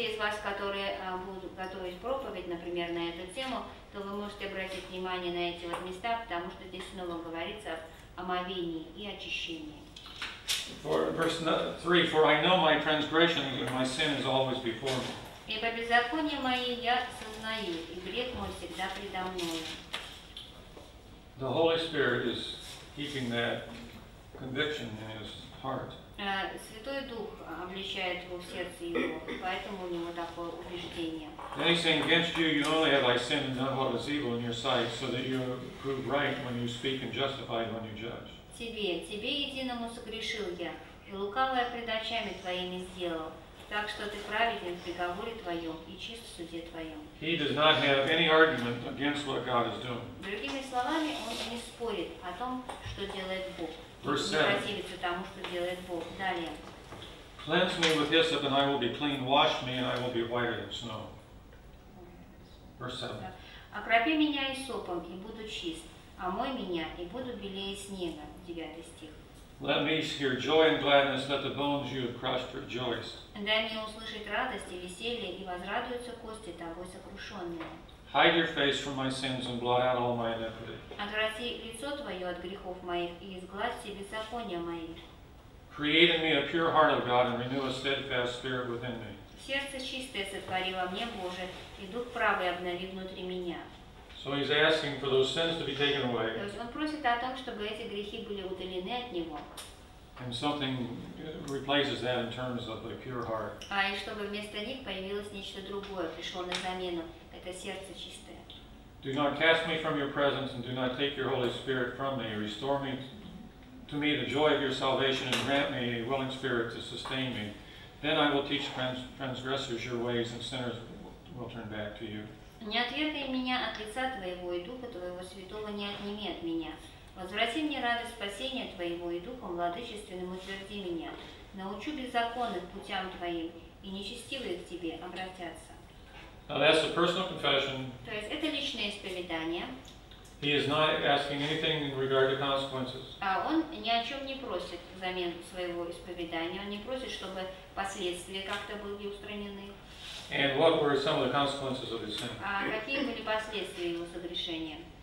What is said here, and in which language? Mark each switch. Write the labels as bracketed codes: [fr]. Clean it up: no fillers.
[ru] Те из вас, которые будут готовить проповедь, например, на эту тему, то вы можете обратить внимание на эти вот места, потому что здесь снова говорится об омовении и очищении. [en] For verse 3, for I know my transgression and my sin is always before me. [ru] И по беззаконию мои я сознаю, и грех мой всегда предо мною. [en] The Holy Spirit is keeping that conviction in his heart. [ru] Святой Дух обличает его в сердце его, поэтому у него такое убеждение. [en] Then he's saying, against you, you only have I sinned and done what is evil in your sight, so that you are proved right when you speak and justified when you judge. [ru] Тебе единому согрешил я, и лукавое пред очами твоими сделал, так что ты праведен в приговоре твоем и чист в суде твоем. [en] He does not have any argument against what God is doing. [ru] Другими словами, он не спорит о том, что делает Бог. [en] Verse 7. [ru] Не противится тому, что делает Бог. Далее. [en] Cleanse me with hyssop, and I will be clean. Wash me, and I will be whiter than snow. Verse 7. [ru] Окропи меня иссопом, и буду чист. Омой меня, и буду белее снега. [en] Let me hear joy and gladness, let the bones you have crushed rejoice. [ru] Дай мне услышать радость и веселье, и возрадуются кости тобой сокрушенные. [en] Hide your face from my sins and blot out all my iniquity. [ru] Отврати лицо твое от грехов моих и изгладь все беззакония мои. [en] Create in me a pure heart, O God, and renew a steadfast spirit within me. [ru] Сердце чистое сотвори во мне, Боже, и дух правый обнови внутри меня. [en] So he's asking for those sins to be taken away. [ru] То есть он просит о том, чтобы эти грехи были удалены от него. [en] And something replaces that in terms of a pure heart. [ru] А и чтобы вместо них появилось нечто другое, пришло на замену. Это сердце чистое. [en] Do not cast me from your presence, and do not take your Holy Spirit from me. Restore me to me the joy of your salvation, and grant me a willing spirit to sustain me. Then I will teach transgressors your ways, and sinners will turn back to you. [ru] Не отвергай меня от лица Твоего, и Духа Твоего Святого не отними от меня. Возврати мне радость спасения Твоего, и Духом владычественным утверди меня. Научу беззаконных путям Твоим, и нечестивые к Тебе обратятся. [en] Now that's a personal confession. [ru] То есть это личное исповедание. [en] He is not asking anything in regard to consequences. [ru] А он ни о чем не просит взамен своего исповедания. Он не просит, чтобы последствия как-то были устранены. [en] And what were some of the consequences of his sin? [ru] А какие были последствия его согрешения?